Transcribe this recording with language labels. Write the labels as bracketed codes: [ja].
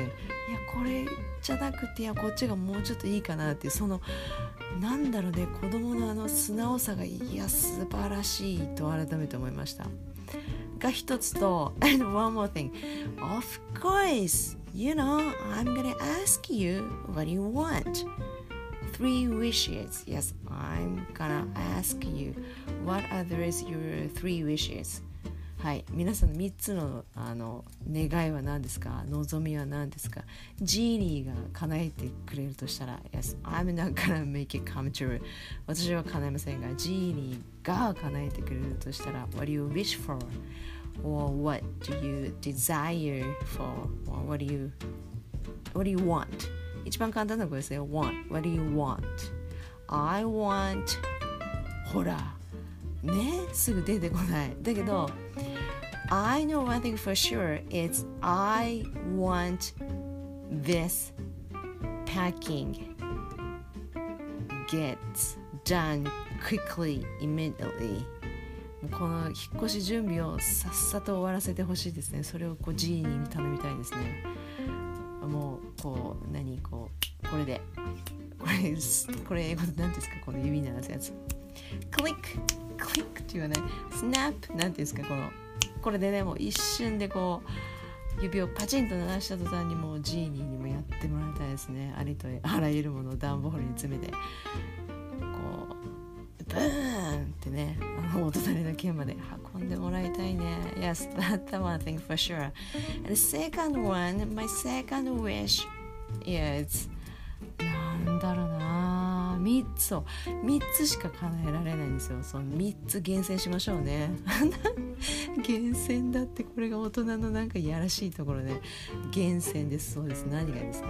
[ja] いやこれじゃなくて、いやこっちがもうちょっといいかなって、そのなんだろうね、子供のあの素直さがいや素晴らしいと改めて思いましたが一つと、 [en] And one more thing. Of course, you know, I'm gonna ask you what you want. Three wishes. Yes, I'm gonna ask you what are your three wishes? [ja] はい、皆さん3つの、 あの願いは何ですか、望みは何ですか。ジーニーが叶えてくれるとしたら [en] Yes, I'm not gonna make it come true. [ja] 私は叶えませんが、ジーニーが叶えてくれるとしたら [en] What do you wish for? Or what do you desire for? Or what do you want? [ja] 一番簡単なことですよ。 [en] Want. What do you want? I want. [ja] ほら。ね、すぐ出てこない。だけど、 [en] I know one thing for sure. It's I want this packing gets done quickly, immediately. [ja] この引っ越し準備をさっさと終わらせてほしいですね。それをこうジーニーに頼みたいですね。もうこう何こうこれでこれ英語で何ですか、この指鳴らすやつ、クリッククリックって言わない、スナップ何ですか、このこれでね、もう一瞬でこう指をパチンと鳴らした途端にもうジーニーにもやってもらいたいですね。ありとあらゆるものを段ボールに詰めてこうブーンってね、あの音鳴りの剣まで運んでもらいたいね。 [en] Yes, that's one thing for sure. And the second one, my second wish is [ja] なんだろうな、3つしか叶えられないんですよ。その3つ厳選しましょうね厳選だって、これが大人のなんかやらしいところで、ね、厳選です。そうです、何がですか。